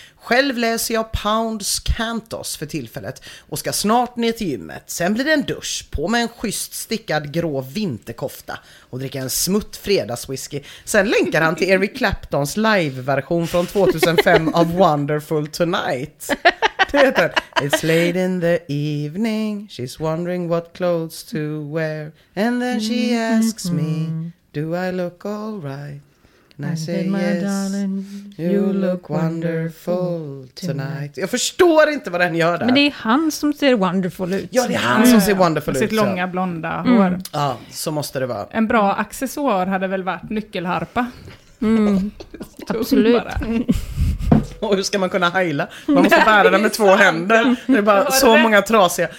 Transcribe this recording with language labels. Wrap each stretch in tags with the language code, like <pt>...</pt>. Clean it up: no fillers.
<sv>Själv läser jag Pounds Cantos för tillfället och ska snart ner till gymmet. Sen blir det en dusch på med en schysst stickad grå vinterkofta och dricker en smutt fredagswhisky. Sen länkar han till Eric Claptons live-version från 2005 av Wonderful Tonight. Det heter:</sv> <en>it's late in the evening, she's wondering what clothes to wear. And then she asks me, do I look all right? And I say, my yes, darling, you look wonderful tonight.</en> <sv>Jag förstår inte vad den gör där. Men det är han som ser wonderful ut. Ja, det är han som ser wonderful ut. Sitt långa blonda hår. Ja, så måste det vara. En bra accessoar hade väl varit nyckelharpa. Absolut. Bara. Och hur ska man kunna heila? Man måste bära den med två händer. Det är bara så många trasiga.</sv>